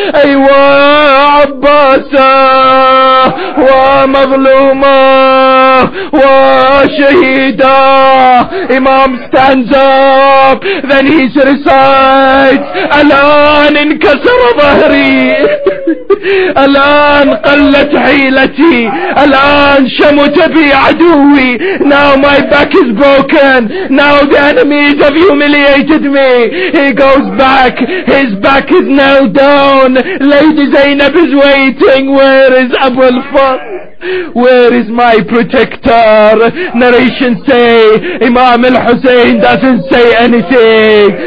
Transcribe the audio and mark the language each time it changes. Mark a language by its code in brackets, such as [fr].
[ar] Aywa Abbasa wa mazluma wa shahida. [en] Imam stands up, then he recites, [ar] Alan in kasara dhahri. Alan قلت عيلتي الآن شمت بي عدوي. [en] Now my back is broken. Now the enemies have humiliated me. He goes back. His back is nailed down. Lady Zainab is waiting. Where is Abu al-Fadl? Where is my protector? Narration say, Imam al-Hussein doesn't say anything.